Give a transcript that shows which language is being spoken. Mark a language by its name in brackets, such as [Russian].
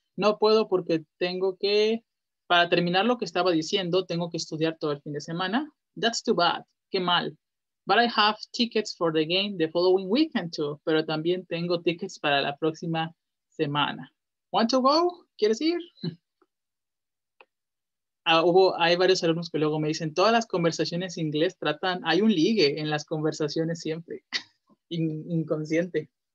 [Spanish] No puedo porque tengo que, para terminar lo que estaba diciendo, tengo que estudiar todo el fin de semana. [English] That's too bad. [Spanish] Qué mal. [English] But I have tickets for the game the following weekend too. [Spanish] Pero también tengo tickets para la próxima semana. [English] Want to go? [Spanish] ¿Quieres ir? Hay varios alumnos que luego me dicen, todas las conversaciones en inglés tratan, hay un ligue en las conversaciones siempre. Inconsciente.